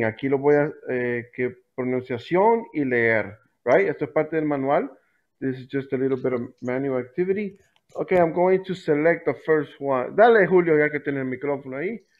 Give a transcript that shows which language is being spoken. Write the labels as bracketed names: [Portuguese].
[Spanish] Aquí lo voy a que pronunciación y leer. [English] Right? [Spanish] Esto es parte del manual. [English] This is just a little bit of manual activity. Okay, I'm going to select the first one. [Spanish] Dale, Julio, ya que tiene el micrófono ahí.